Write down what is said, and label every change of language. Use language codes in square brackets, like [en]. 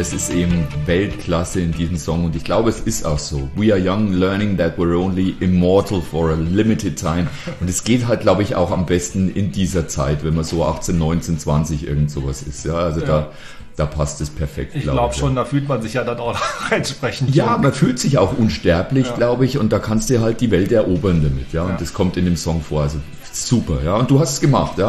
[de] Eben Weltklasse in diesem Song und ich glaube, es ist auch so. [en] We are young, learning that we're only immortal for a limited time. [de] Und es geht halt, glaube ich, auch am besten in dieser Zeit, wenn man so 18, 19, 20 irgend sowas ist. Ja, also ja. Da passt es perfekt. Ich glaube schon, da fühlt man sich ja dann auch entsprechend. Ja, jung. Man fühlt sich auch unsterblich, ja. Glaube ich, und da kannst du halt die Welt erobern damit. Ja, und ja. Das kommt in dem Song vor. Also super, ja. Und du hast es gemacht, ja.